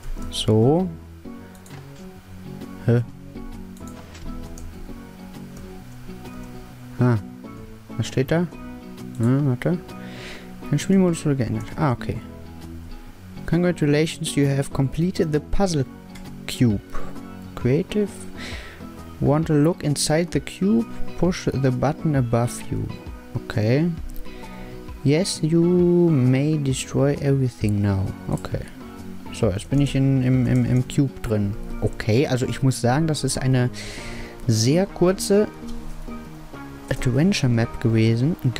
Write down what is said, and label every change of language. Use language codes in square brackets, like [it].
[de] So. Hä? Ah. Was steht da? Warte. Dein Spielmodus wurde geändert. Ah, okay. [en] Congratulations, you have completed the puzzle cube. Creative. Want to look inside the cube? Push the button above you. Okay. Yes, you may destroy everything now. Okay. [de] So, jetzt bin ich im Cube drin. Okay, also ich muss sagen, das ist eine sehr kurze Adventure Map gewesen.